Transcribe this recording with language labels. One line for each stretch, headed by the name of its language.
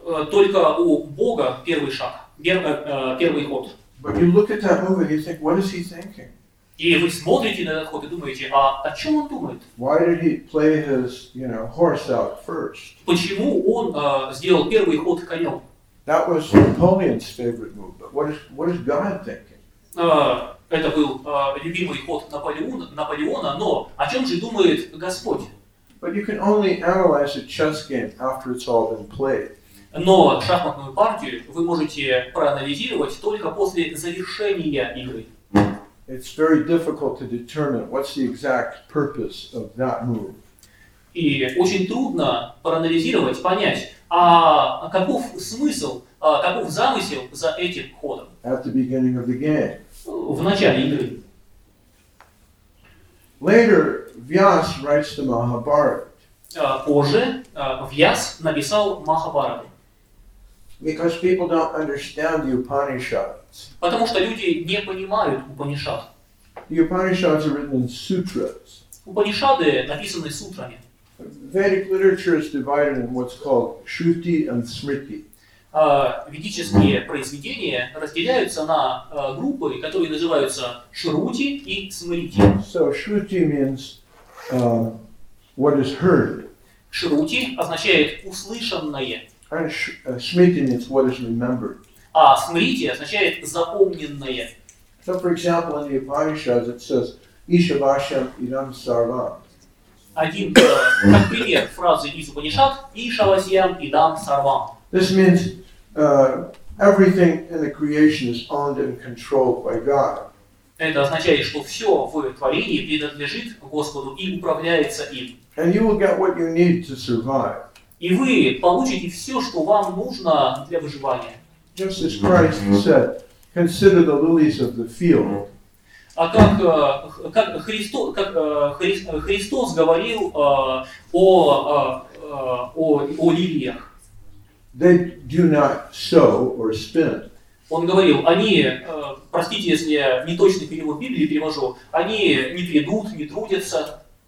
Russian: Только у Бога первый шаг, первый ход.
English: But you look at that move and you think, what is he thinking?
Russian: И вы смотрите на этот ход и думаете, а о чем он думает?
English: Why did he play his, you know, horse out first?
Russian: Почему он сделал первый ход конем?
English: That was Napoleon's favorite move, but what is God thinking?
Russian: Это был любимый ход Наполеона, но о чем же думает Господь?
English: But you can only analyze a chess game after it's all been played.
Russian: Но шахматную партию вы можете проанализировать только после завершения игры.
English: it's very difficult to determine what's the exact purpose of that move.
Russian: И очень трудно проанализировать, понять, а каков смысл, каков замысел за этим ходом.
English: At the beginning of the game.
Russian: В начале игры.
English: Later, Vyas writes to Mahabharata.
Russian: Позже Вьяс написал Махабхарату.
English: Because people don't understand the Upanishads.
Russian: Потому что люди не понимают Упанишад.
English: The Upanishads are written in sutras.
Russian: Упанишады написаны сутрами.
English: Vedic literature is divided in what's called Shruti and Smriti.
Russian: Ведические произведения разделяются на группы, которые называются Шрути и Смрити.
English: So Shruti means what is heard.
Russian: Шрути означает услышанное.
English: And Smriti means what is remembered.
Russian: А Смрити означает запомненное.
English: So for example, in the Upanishads it says
Sanskrit: Ishavasyam Idam Sarvam.
Russian: Один, как пример, фразы из Упанишад
Sanskrit: «Ишавасьям идам сарвам».
English: This means everything in the creation is owned and controlled by God.
Russian: Это означает, что все в творении принадлежит Господу и управляется им.
English: And you will get what you need to survive.
Russian: И вы получите все, что вам нужно для выживания.
English: Just as Christ said, consider the lilies of the field.
Russian: А как Христос говорил о лилиях.
English: They do not sow or spin.
Russian: Он говорил, они, простите, если я неточный перевод Библии перевожу, они не придут, не трудятся.